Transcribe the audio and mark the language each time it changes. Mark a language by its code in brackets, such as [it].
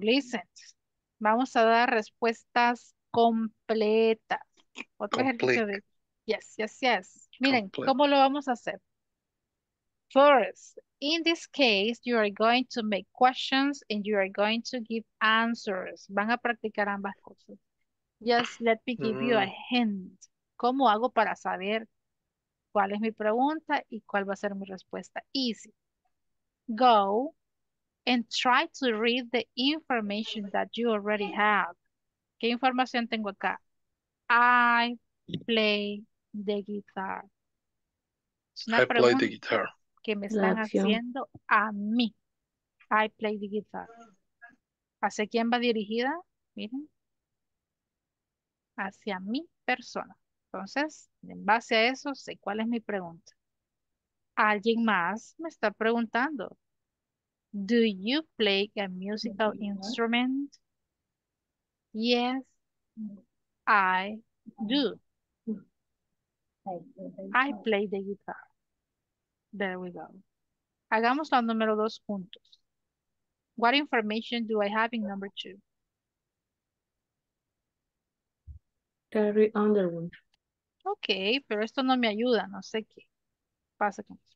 [es] Listen, vamos a dar respuestas completas. [en] Complete. [es] Yes. Miren, complete. ¿Cómo lo vamos a hacer? [en] First, in this case, you are going to make questions and you are going to give answers. [es] Van a practicar ambas cosas. [en] Just let me give you a hint. [es] ¿Cómo hago para saber cuál es mi pregunta y cuál va a ser mi respuesta? [en] Easy. Go and try to read the information that you already have. [es] ¿Qué información tengo acá? [en] I play the guitar. I play the guitar. [es] Que me están haciendo a mí. [en] I play the guitar. [es] ¿Hacia quién va dirigida? Miren. Hacia mi persona. Entonces, en base a eso, sé cuál es mi pregunta. Alguien más me está preguntando. [en] Do you play a musical instrument? Yes, I do. I play the guitar. There we go. [es] Hagamos la número dos juntos. [en] What information do I have in number two? Carry Underwood. [es] Ok, pero esto no me ayuda, no sé qué pasa con eso.